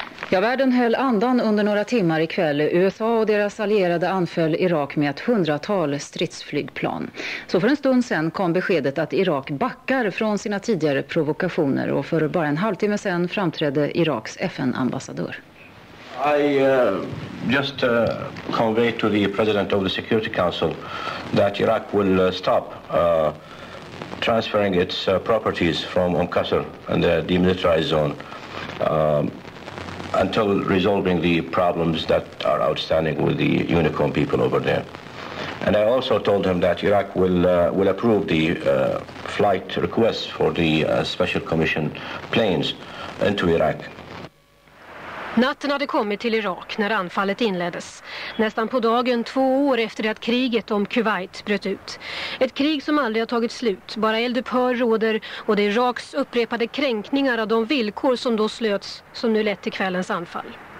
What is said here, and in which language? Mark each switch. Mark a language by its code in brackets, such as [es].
[sv] Ja, världen höll andan under några timmar ikväll. USA och deras allierade anföll Irak med ett hundratal stridsflygplan. Så för en stund sen kom beskedet att Irak backar från sina tidigare provokationer. Och för bara en halvtimme sen framträdde Iraks FN-ambassadör. [en] I just convey to the president of the Security Council that Iraq will stop transferring its properties from Umm Qasr and the demilitarized zone until resolving the problems that are outstanding with the UNICOM people over there. And I also told him that Iraq will approve the flight requests for the special commission planes into Iraq. [sv] Natten hade kommit till Irak när anfallet inleddes. Nästan på dagen 2 år efter att kriget om Kuwait bröt ut. Ett krig som aldrig har tagit slut. Bara eldupphör råder, och det är Iraks upprepade kränkningar av de villkor som då slöts som nu lett till kvällens anfall.